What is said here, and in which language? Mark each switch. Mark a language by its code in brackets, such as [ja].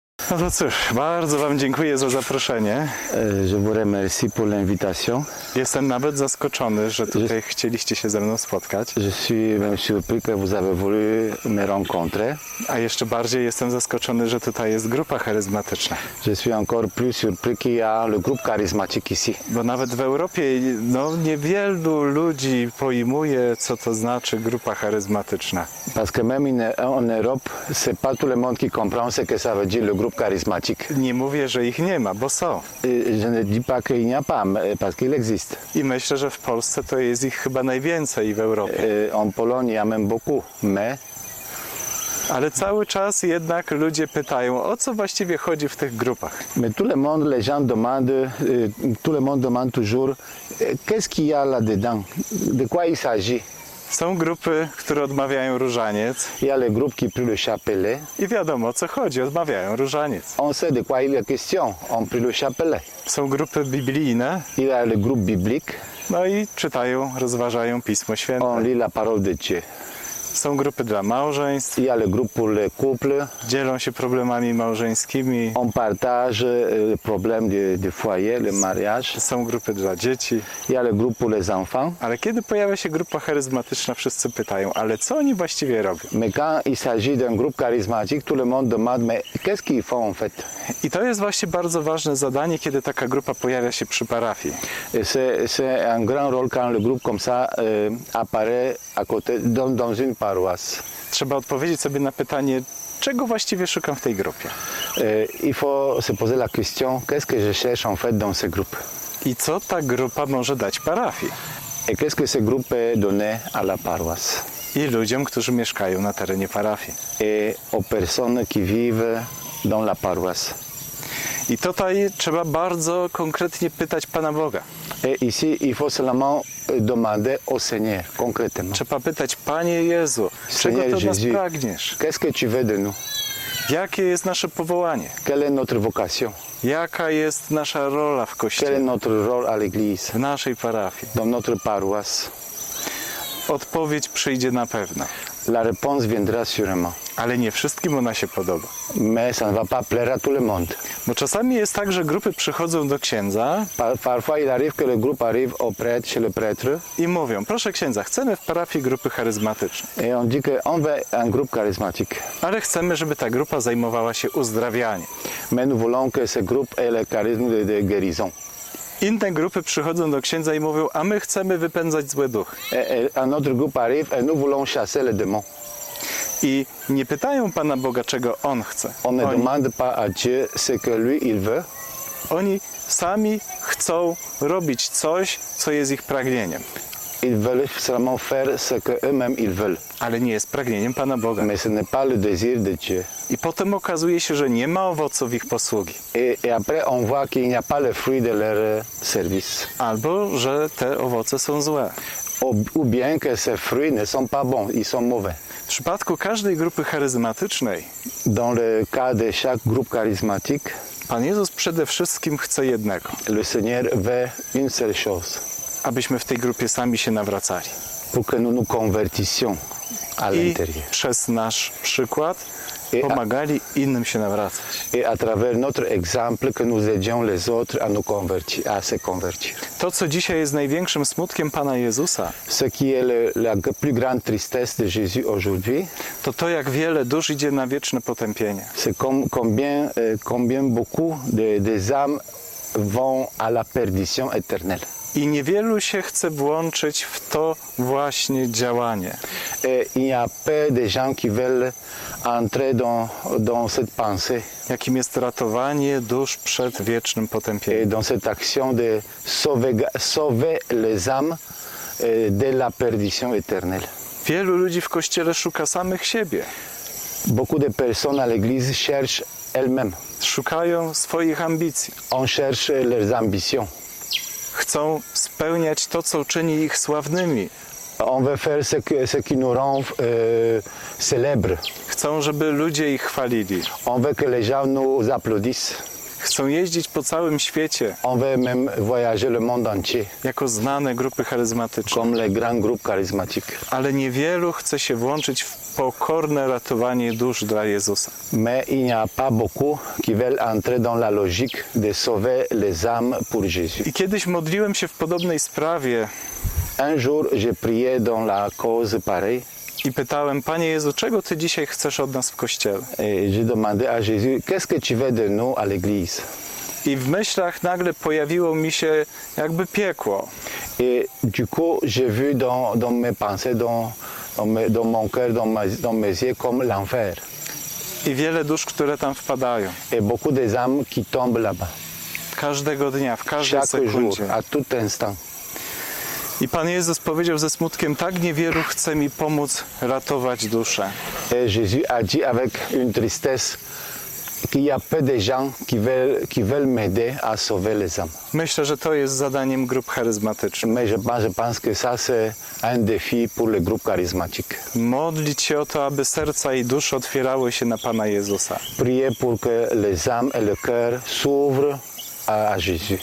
[pl] No to cóż, bardzo Wam dziękuję za zaproszenie. [fr] Je vous remercie pour l'invitation. [pl] Jestem nawet zaskoczony, że tutaj chcieliście się ze mną spotkać. [fr] Je suis même surpris que vous avez voulu me rencontrer. [pl] A jeszcze bardziej jestem zaskoczony, że tutaj jest grupa charyzmatyczna. [fr] Je suis encore plus surpris qu'il y a le groupe charismatique ici. [pl] Bo nawet w Europie niewielu ludzi pojmuje, co to znaczy grupa charyzmatyczna. [fr] Parce que même en Europe, c'est pas tout le monde qui comprend ce que ça veut dire. Groupe charismatique. [pl] Nie mówię, że ich nie ma, bo są. [fr] Je ne dis pas qu'il n'y a pas, parce qu'il existe. [pl] I myślę, że w Polsce to jest ich chyba najwięcej w Europie. [fr] En Pologne, il y a même beaucoup, mais... [pl] Ale cały czas jednak ludzie pytają, o co właściwie chodzi w tych grupach. [fr] Mais tout le monde demande toujours, qu'est-ce qu'il y a là-dedans, de quoi il s'agit. [pl] Są grupy, które odmawiają różaniec. [fr] Il y a les groupes qui prient le chapelet. [pl] I wiadomo, o co chodzi, odmawiają różaniec. [fr] On sait de quoi il est question, on prie le chapelet. [pl] Są grupy biblijne. [fr] Il y a les groupes bibliques. [pl] No i czytają, rozważają Pismo Święte. [fr] On lit la parole de Dieu. [pl] Są grupy dla małżeństw. [fr] Il y a les groupes pour les couples. [pl] Dzielą się problemami małżeńskimi. [fr] On partage les problèmes de foyer, le mariage. [pl] Są grupy dla dzieci. [fr] Il y a les groupes pour les enfants. [pl] Ale kiedy pojawia się grupa charyzmatyczna, wszyscy pytają, ale co oni właściwie robią? [fr] Mais quand il s'agit d'un groupe charismatique, tout le monde demande, mais qu'est-ce qu'ils font en fait? [pl] I to jest właśnie bardzo ważne zadanie, kiedy taka grupa pojawia się przy parafii. [fr] C'est un grand rôle quand le groupe comme ça apparaît à côté dans une paroisse. [pl] Trzeba odpowiedzieć sobie na pytanie, czego właściwie szukam w tej grupie. [fr] Il faut se poser la question, qu'est-ce que je cherche en fait dans cette groupe? [pl] I co ta grupa może dać parafii? [fr] Et qu'est-ce que cette groupe peut donner à la paroisse? [pl] I ludziom, którzy mieszkają na terenie parafii. [fr] Et aux personnes qui vivent dans la paroisse. [pl] I tutaj trzeba bardzo konkretnie pytać Pana Boga. [fr] Et ici, il faut seulement demander au Seigneur, concrètement. [pl] Trzeba pytać, Panie Jezu, [fr] Seigneur [pl] czego Ty [fr] Jésus, [pl] nas pragniesz? [fr] Qu'est-ce que tu veux de nous? [pl] Jakie jest nasze powołanie? [fr] Quelle est notre vocation? [pl] Jaka jest nasza rola w Kościele? [fr] Quelle est notre rôle à l'église? [pl] W naszej parafii. [fr] Dans notre paroisse. [pl] Odpowiedź przyjdzie na pewno. [fr] La réponse viendra sûrement. [pl] Ale nie wszystkim ona się podoba. [fr] Mais ça ne va pas plaire à tout le monde. [pl] Bo czasami jest tak, że grupy przychodzą do księdza. [fr] Parfois il arrive que le groupe arrive au prêtre chez le prêtre. [pl] I mówią, proszę księdza, chcemy w parafii grupy charyzmatyczne. [fr] Et on dit que on veut un groupe charismatique. [pl] Ale chcemy, żeby ta grupa zajmowała się uzdrawianiem. [fr] Mais nous voulons que ce groupe ait le charisme de guérison. [pl] Inne grupy przychodzą do księdza i mówią, a my chcemy wypędzać zły duch. [fr] Un autre groupe arrive et nous voulons chasser les démons. [pl] I nie pytają Pana Boga, czego On chce. [fr] On ne demande pas à Dieu ce que lui il veut. [pl] Oni sami chcą robić coś, co jest ich pragnieniem. [fr] Ils veulent seulement faire ce que eux-mêmes ils veulent. [pl] Ale nie jest pragnieniem Pana Boga. [fr] Mais ce n'est pas le désir de Dieu. [pl] I potem okazuje się, że nie ma owoców ich posługi. [fr] Et après on voit qu'il n'y a pas le fruit de leur service. [pl] Albo że te owoce są złe. [fr] Ou bien que ces fruits ne sont pas bons, ils sont mauvais. [pl] W przypadku każdej grupy charyzmatycznej, [fr] dans le cas de chaque groupe charismatique, [pl] Pan Jezus przede wszystkim chce jednego. [fr] Le Seigneur veut une seule chose. [pl] Abyśmy w tej grupie sami się nawracali. [fr] Pour que nous nous convertissions à l'intérieur. [pl] I przez nasz przykład pomagali innym się nawracać. [fr] Et à travers notre exemple que nous aidions les autres à nous convertir, à se convertir. [pl] To, co dzisiaj jest największym smutkiem Pana Jezusa, [fr] ce qui est la plus grande tristesse de Jésus aujourd'hui, [pl] to jak wiele dusz idzie na wieczne potępienie. [fr] C'est combien beaucoup des âmes vont à la perdition éternelle. [pl] I niewielu się chce włączyć w to właśnie działanie. [fr] Il y a peu de gens qui veulent entrer dans cette pensée. [pl] Jakim jest ratowanie dusz przed wiecznym potępieniem. [fr] Dans cette action de sauver les âmes de la perdition éternelle. [pl] Wielu ludzi w kościele szuka samych siebie. [fr] Beaucoup de personnes à l'église cherchent elles-mêmes. [pl] Szukają swoich ambicji. [fr] On cherche leurs ambitions. [pl] Chcą spełniać to, co czyni ich sławnymi. [fr] On veut faire ce qui nous rend célèbres. [pl] Chcą, żeby ludzie ich chwalili. [fr] On veut que les gens nous applaudissent. [pl] chcą jeździć po całym świecie. [fr] On veut même voyager le monde entier. [pl] Jako znane grupy charyzmatyczne. [fr] Comme les grandes groupes charismatiques. [pl] Ale niewielu chce się włączyć w pokorne ratowanie dusz dla Jezusa. [fr] Mais il n'y a pas beaucoup qui veulent entrer dans la logique de sauver les âmes pour Jésus. [pl] I kiedyś modliłem się w podobnej sprawie. [fr] Un jour, je priais dans la cause pareille. [pl] I pytałem: Panie Jezu, czego Ty dzisiaj chcesz od nas w Kościele? [fr] J'ai demandé à Jésus, qu'est-ce que tu veux de nous à l'église? [pl] I w myślach nagle pojawiło mi się jakby piekło. [fr] Et du coup, j'ai vu dans mes pensées, dans mon cœur, dans mes yeux, comme l'enfer. [pl] I wiele dusz, które tam wpadają. [fr] Et beaucoup des âmes qui tombent là-bas. [pl] Każdego dnia, w każdej [fr] chaque [pl] sekundzie. [fr] Jour, à tout instant. [pl] I Pan Jezus powiedział ze smutkiem: tak niewielu chce mi pomóc ratować duszę. [fr] Et Jésus a dit avec une tristesse qu'il y a peu de gens qui veulent m'aider à sauver les âmes. [pl] Myślę, że to jest zadaniem grup charyzmatycznych. [fr] Mais je pense que ça c'est un défi pour les groupes charismatiques. [pl] Modlić się o to, aby serca i dusze otwierały się na Pana Jezusa. [fr] Prier pour que les âmes et le cœur s'ouvrent à Jésus.